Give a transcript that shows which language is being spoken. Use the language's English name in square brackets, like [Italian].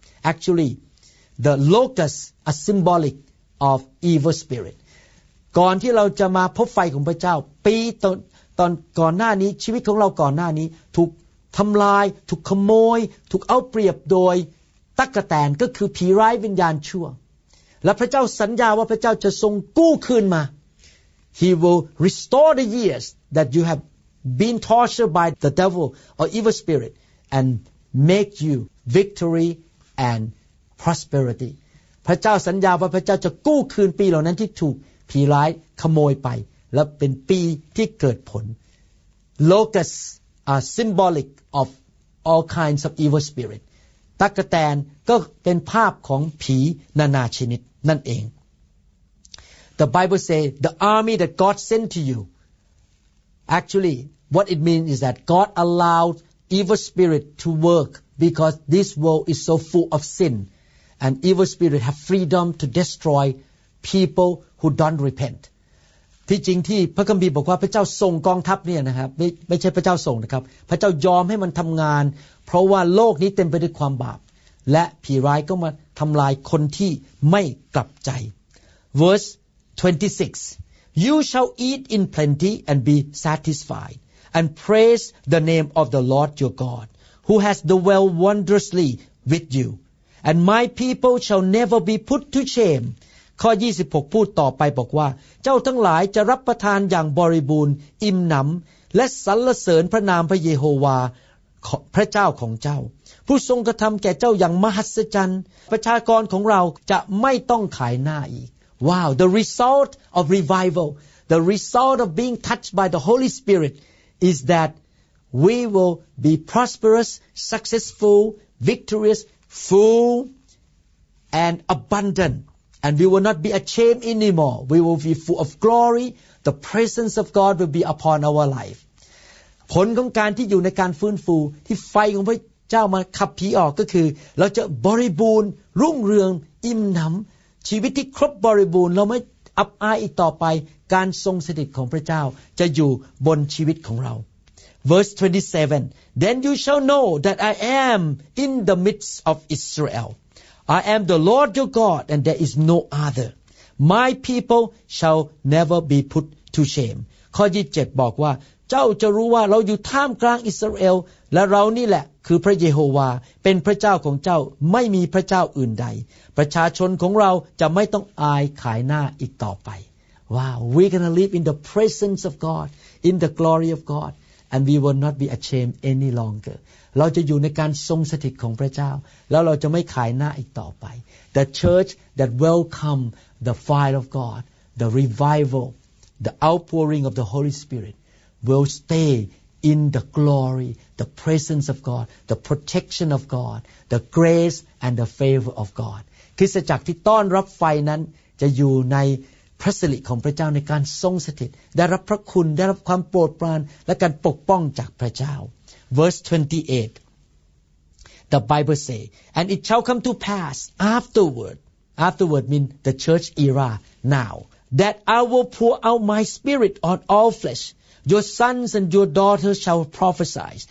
[English] Actually, the locusts are symbolic of evil spirit. [Thai] ก่อนที่เราจะมาพบไฟของพระเจ้าปีตอนก่อนหน้านี้ชีวิตของเราก่อนหน้านี้ถูกทำลายถูกขโมยถูกเอาเปรียบโดยตั๊กแตนก็คือผีร้ายวิญญาณชั่วและพระเจ้าสัญญาว่าพระเจ้าจะทรงกู้คืนมา [English] He will restore the years that you haveBeen tortured by the devil or evil spirit, and make you victory and prosperity. [Thai] พระเจ้าสัญญาว่าพระเจ้าจะกู้คืนปีเหล่านั้นที่ถูกผีร้ายขโมยไปและเป็นปีที่เกิดผล [English] Locusts are symbolic of all kinds of evil spirit. [Thai] ตั๊กแตนก็เป็นภาพของผีนานาชนิดนั่นเอง [English] The Bible says the army that God sent to you. Actually, what it means is that God allowed evil spirit to work because this world is so full of sin, and evil spirit have freedom to destroy people who don't repent. [Thai] ที่จริงที่พระคัมภีร์บอกว่าพระเจ้าส่งกองทัพเนี่ยนะครับไม่ใช่พระเจ้าส่งนะครับพระเจ้ายอมให้มันทำงานเพราะว่าโลกนี้เต็มไปด้วยความบาปและผีร้ายก็มาทำลายคนที่ไม่กลับใจ [English] Verse 26You shall eat in plenty and be satisfied, and praise the name of the Lord your God, who has dwelt wondrously with you. And my people shall never be put to shame. [Thai] ข้อ 26 พูดต่อไปบอกว่าเจ้าทั้งหลายจะรับประทานอย่างบริบูรณ์อิ่มหนำและสรรเสริญพระนามพระเยโฮวาพระเจ้าของเจ้าผู้ทรงกระทำแก่เจ้าอย่างมหัศจรรย์ประชากรของเราจะไม่ต้องขายหน้าอีก [English] Wow, the result of revival, the result of being touched by the Holy Spirit is that we will be prosperous, successful, victorious, full, and abundant. And we will not be ashamed anymore. We will be full of glory. The presence of God will be upon our life. [Thai] ผลของการที่อยู่ในการฟื้นฟูที่ไฟของพระเจ้ามาขับผีออกก็คือเราจะบริบูรณ์รุ่งเรืองอิ่มหนำชีวิตที่ครบบริบูรณ์เราไม่อับอายอีกต่อไปการทรงสถิตของพระเจ้าจะอยู่บนชีวิตของเรา [English] Verse 27 Then you shall know that I am in the midst of Israel I am the Lord your God and there is no other My people shall never be put to shame [Thai] ข้อ 27 บอกว่าเจ้าจะรู้ว่าเราอยู่ท่ามกลางอิสราเอลและเรานี่แหละคือพระเยโฮวาเป็นพระเจ้าของเจ้าไม่มีพระเจ้าอื่นใดประชาชนของเราจะไม่ต้องอายขายหน้าอีกต่อไป [English] Wow, we're going to live in the presence of God, in the glory of God, and we will not be ashamed any longer. [Thai] เราจะอยู่ในการทรงสถิตของพระเจ้าแล้วเราจะไม่ขายหน้าอีกต่อไป [English] The church that welcome the fire of God, the revival, the outpouring of the Holy Spirit will stayIn the glory, the presence of God, the protection of God, the grace and the favor of God. [Thai] คริสตจักรที่ต้อนรับไฟนั้นจะอยู่ในพระสิริของพระเจ้าในการทรงสถิตได้รับพระคุณได้รับความโปรดปรานและการปกป้องจากพระเจ้า [English] Verse 28 The Bible say And it shall come to pass afterward mean the church era now that I will pour out my spirit on all fleshYour sons and your daughters shall prophesy.